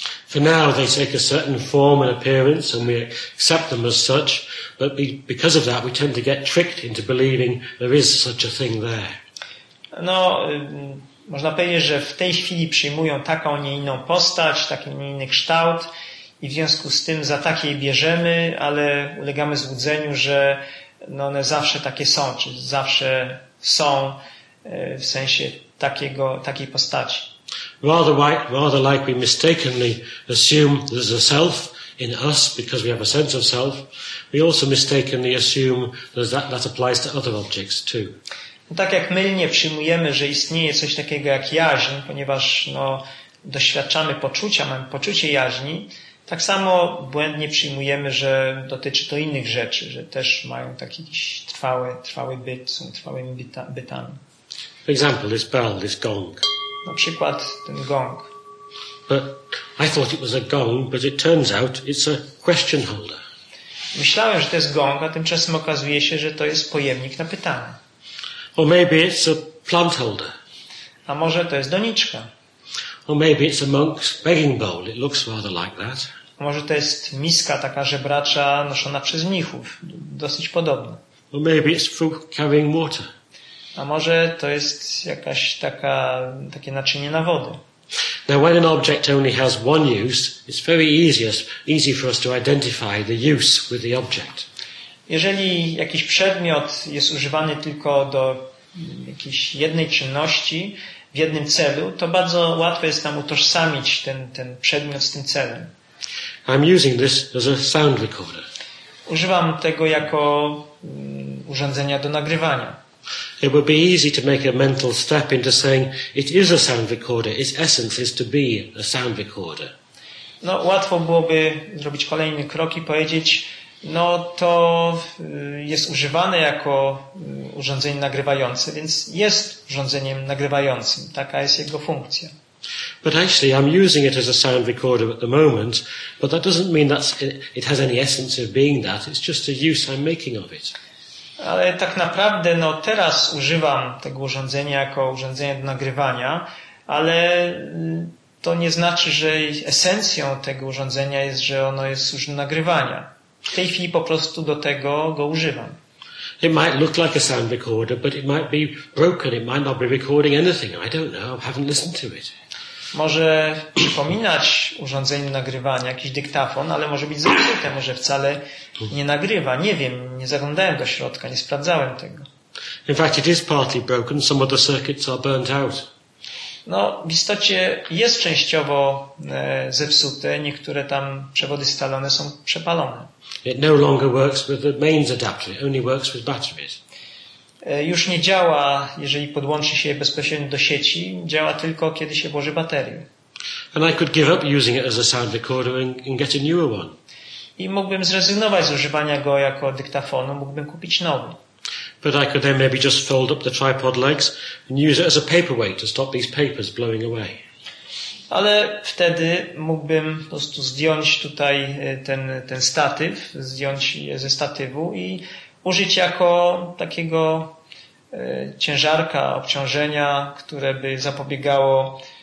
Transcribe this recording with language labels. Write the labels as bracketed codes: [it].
[en] For now they take a certain form and appearance and we accept them as such, but because of that we tend to get tricked into believing there is such a thing there. [pl] No, można powiedzieć, że w tej chwili przyjmują taką, nie inną postać, taki, nie inny kształt i w związku z tym za takie bierzemy, ale ulegamy złudzeniu, że no one zawsze takie są, czy zawsze są w sensie takiej postaci. [en] Rather like we mistakenly assume there's a self in us because we have a sense of self, we also mistakenly assume that applies to other objects too. [pl] No, tak jak mylnie przyjmujemy, że istnieje coś takiego jak jaźń, ponieważ no, doświadczamy poczucia, mamy poczucie jaźni, tak samo błędnie przyjmujemy, że dotyczy to innych rzeczy, że też mają taki trwały byt, są trwałymi bytami. [en] For example, this bell, this gong. [pl] Na przykład ten gong. [en] But I thought it was a gong, but it turns out it's a question holder. [pl] Myślałem, że to jest gong, a tymczasem okazuje się, że to jest pojemnik na pytanie. [en] Or maybe it's a plant holder. [pl] A może to jest doniczka. [en] Or maybe it's a monk's begging bowl. It looks rather like that. [pl] A może to jest miska taka żebracza noszona przez mnichów. Dosyć podobna. [en] Or maybe it's fruit carrying water. [pl] A może to jest jakaś takie naczynie na wodę. [en] Now when an object only has one use, it's very easy for us to identify the use with the object. [pl] Jeżeli jakiś przedmiot jest używany tylko do jakiejś jednej czynności, w jednym celu, to bardzo łatwo jest nam utożsamić ten przedmiot z tym celem. [en] I'm using this as a sound recorder. [pl] Używam tego jako urządzenia do nagrywania. [en] It would be easy to make a mental step into saying it is a sound recorder, its essence is to be a sound recorder. [pl] No, łatwo byłoby zrobić kolejny krok i powiedzieć, no to jest używane jako urządzenie nagrywające, więc jest urządzeniem nagrywającym, taka jest jego funkcja. [en] But actually I'm using it as a sound recorder at the moment, but that doesn't mean that it has any essence of being that, it's just a use I'm making of it. [pl] Ale tak naprawdę no, teraz używam tego urządzenia jako urządzenia do nagrywania, ale to nie znaczy, że esencją tego urządzenia jest, że ono jest służbą nagrywania. W tej chwili po prostu do tego go używam. [en] It might look like a sound recorder, but it might be broken, it might not be recording anything. I don't know, I haven't listened to it. [pl] Może przypominać urządzenie nagrywania, jakiś dyktafon, ale może być zepsute, może wcale nie nagrywa. Nie wiem, nie zaglądałem do środka, nie sprawdzałem tego. [en] In fact, it is partly broken. Some of the circuits are burnt out. [pl] No, w istocie jest częściowo zepsute. Niektóre tam przewody scalone są przepalone. [en] It no longer works with the mains adapter. It only works with batteries. [pl] Już nie działa, jeżeli podłączy się bezpośrednio do sieci. Działa tylko, kiedy się włoży baterię. [en] And I could give up using it as a sound recorder and get a newer one. [pl] I mógłbym zrezygnować z używania go jako dyktafonu. Mógłbym kupić nowy. [en] But I could then maybe just fold up the tripod legs and use it as a paperweight to stop these papers blowing away. [pl] Ale wtedy mógłbym po prostu zdjąć tutaj ten statyw, zdjąć je ze statywu i użyć jako takiego ciężarka, obciążenia, które by zapobiegało